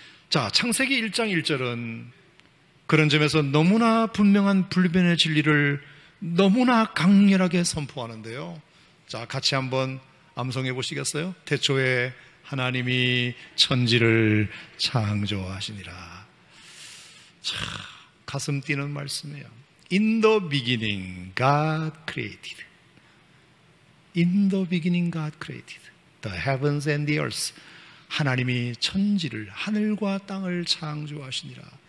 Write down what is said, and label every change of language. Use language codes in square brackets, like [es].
[ko] 자, 창세기 1장 1절은 그런 점에서 너무나 분명한 불변의 진리를 너무나 강렬하게 선포하는데요. 자, 같이 한번 암송해 보시겠어요? 태초에 하나님이 천지를 창조하시니라. 참 가슴 뛰는 말씀이에요. [en] In the beginning God created. In the beginning God created the heavens and the earth. [ko] 하나님이 천지를, 하늘과 땅을 창조하시니라.